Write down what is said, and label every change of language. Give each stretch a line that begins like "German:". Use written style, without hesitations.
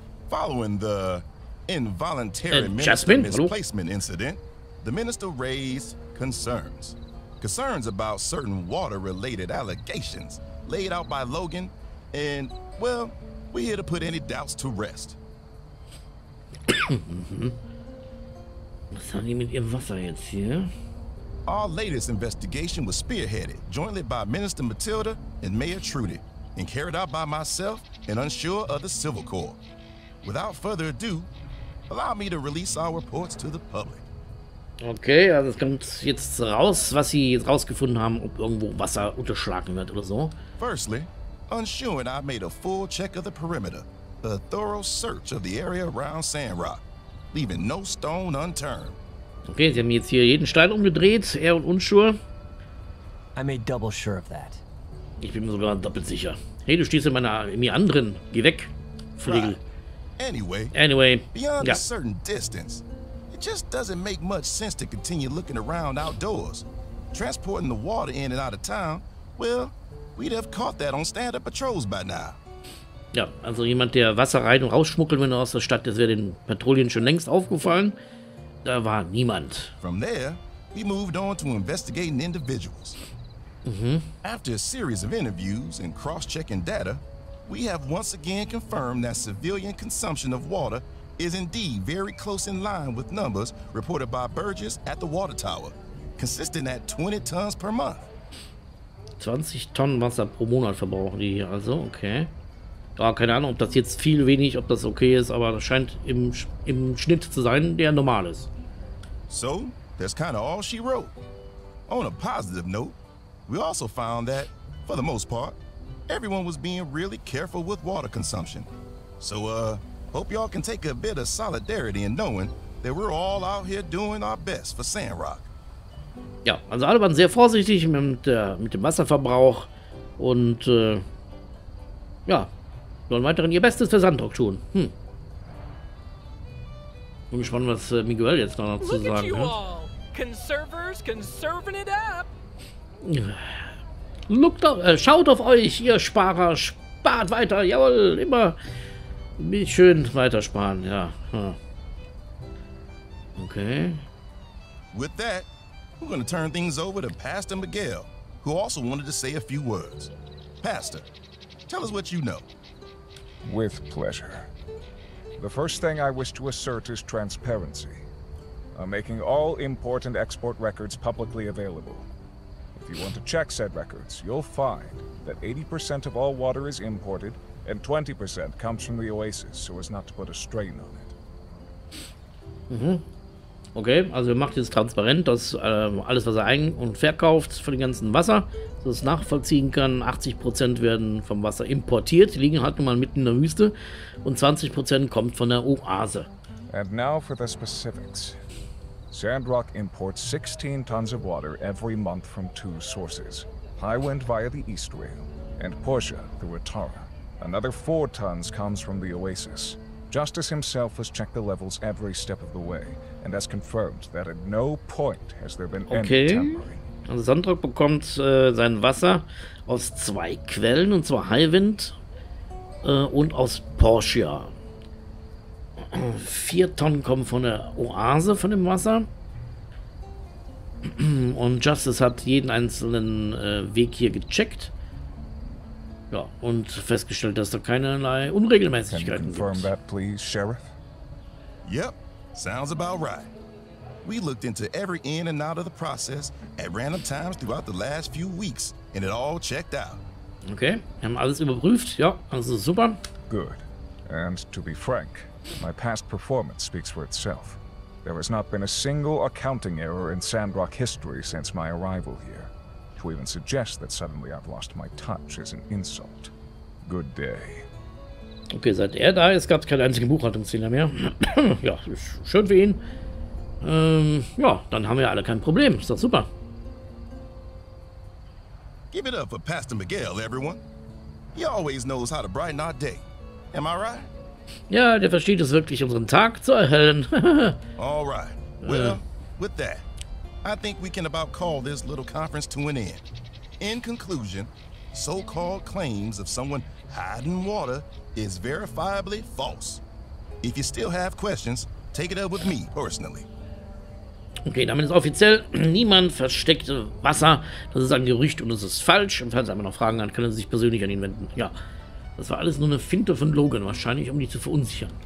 English: Following the involuntary misplacement incident, the minister raised concerns. Concerns about certain water-related allegations laid out by Logan, and well, we're here to put any doubts to rest.
German: Was haben die mit ihrem Wasser jetzt hier?
English: Our latest investigation was spearheaded jointly by Minister Matilda and Mayor Trudy, and carried out by myself and unsure of the Civil Corps. Without further ado, allow me to release our reports to the public.
German: Okay, also es kommt jetzt raus, was sie jetzt rausgefunden haben, ob irgendwo Wasser unterschlagen wird oder so.
English: Firstly, Unshue and I made a full check of the perimeter, a thorough search of the area around Sandrock, leaving no stone unturned.
German: Okay, sie haben jetzt hier jeden Stein umgedreht, er und Unshue.
English: I made double sure of that.
German: Ich bin mir sogar doppelt sicher. Hey, du stehst in mir anderen. Geh weg, Fliegel.
English: Anyway, beyond a certain distance. Just doesn't make much sense to continue looking around outdoors. Transporting the water in and out of town, well, we'd have caught that on stand-up patrols by now.
German: Ja, also jemand, der Wasser rein und rausschmuggeln würde aus der Stadt, das wäre den Patrouillen schon längst aufgefallen. Da war niemand.
English: From there, we moved on to investigating individuals. After a series of interviews and cross-checking data, we have once again confirmed that civilian consumption of water is indeed very close in line with numbers reported by Burgess at the water tower, consisting at 20 tons per month.
German: 20 Tonnen Wasser pro Monat verbrauchen die hier also, okay. Ja, keine Ahnung, ob das jetzt viel wenig, ob das okay ist, aber das scheint im Schnitt zu sein, der normal ist.
English: So, that's kind of all she wrote. On a positive note, we also found that for the most part. Everyone was being really careful with water consumption. So, hope y'all can take a bit of solidarity in knowing that we're all out here doing our best for Sandrock.
German: Ja, also alle waren sehr vorsichtig mit dem Wasserverbrauch und ja, wollen weiterhin ihr Bestes für Sandrock tun. Bin gespannt, was Miguel jetzt noch zu sagen hat.
English: Conservers conserving it up.
German: Look doch, schaut auf euch, ihr Sparer, spart weiter, jawohl, immer schön weitersparen, ja. Okay.
English: With that, we're gonna turn things over to Pastor Miguel, who also wanted to say a few words. Pastor, tell us what you know. With pleasure. The first thing I wish to assert is transparency. I'm making all important export records publicly available. If you want to check said records, you'll find that 80% of all water is imported and 20% comes from the oasis, so as not to put a strain on it. Mhm.
German: Okay, also er macht jetzt transparent, dass alles, was er ein- und verkauft von dem ganzen Wasser, dass es nachvollziehen kann, 80% werden vom Wasser importiert, die liegen halt nun mal mitten in der Wüste, und 20% kommt von der Oase.
English: And now for the specifics. Sandrock imports 16 tons of water every month from two sources. Highwind via the East Rail, and Portia through Atara. Another 4 tons comes from the Oasis. Justice himself has checked the levels every step of the way, and has confirmed that at no point has there been any tampering.
German: Also Sandrock bekommt sein Wasser aus zwei Quellen, und zwar Highwind und aus Portia. 4 Tonnen kommen von der Oase von dem Wasser. Und Justice hat jeden einzelnen Weg hier gecheckt. Ja, und festgestellt, dass da keinerlei Unregelmäßigkeiten gibt.
English: Can you confirm that, please, Sheriff? Yep, sounds about right. We looked into every in and out of the process at random times throughout the last few weeks, and it all checked out.
German: Okay, wir haben alles überprüft. Ja, also super.
English: Good. And to be frank, my past performance speaks for itself. There has not been a single accounting error in Sandrock history since my arrival here. To even suggest that suddenly I've lost my touch is an insult. Good day.
German: Okay, seit er da ist, gab es keinen einzigen Buchhaltungsfehler mehr. Ja, schön für ihn. Ja, dann haben wir alle kein Problem. Ist doch super.
English: Give it up for Pastor Miguel, everyone. He always knows how to brighten our day. Am I right?
German: Ja, der versteht es wirklich, unseren Tag zu erhellen.
English: All right. Well, with that, I think we can about call this little conference to an end. In conclusion, so-called claims of someone hiding water is verifiably false. If you still have questions, take it up with me personally.
German: Okay, damit ist offiziell, niemand versteckt Wasser. Das ist ein Gerücht und es ist falsch. Und falls er einmal noch Fragen hat, kann er sich persönlich an ihn wenden. Ja. Das war alles nur eine Finte von Logan, wahrscheinlich, um dich zu verunsichern.